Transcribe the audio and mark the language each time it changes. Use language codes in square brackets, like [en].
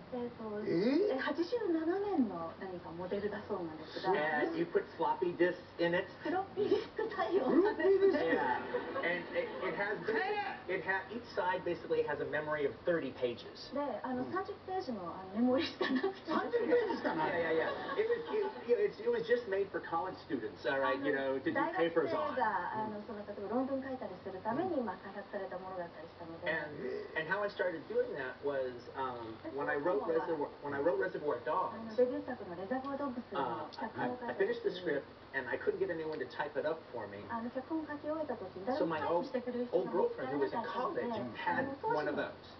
[ja] 87年の何かモデルだそうなんですが。 [en] And you put floppy disks in it. [ja] フロッピーディスク対応なんですね。 [en] And it has each side basically has a memory of 30 pages. [ja] で、30ページのメモリしかなくて。 30ページしかない。 [en] It was just made for college students, all right, you know, to do papers on. [ja] 大学生がその例えば論文書いたりするために開発されたものだったりしたので。 [en] And how I started doing that was when I wrote Reservoir Dogs. [ja] デビュー作のレザーボードブスの脚本を書いた。 [en] I finished the script and I couldn't get anyone to type it up for me. [ja] 脚本を書き終えた時、誰もタイプしてくれる人がいなかったので。 [en] So my old girlfriend who was in college had one of those.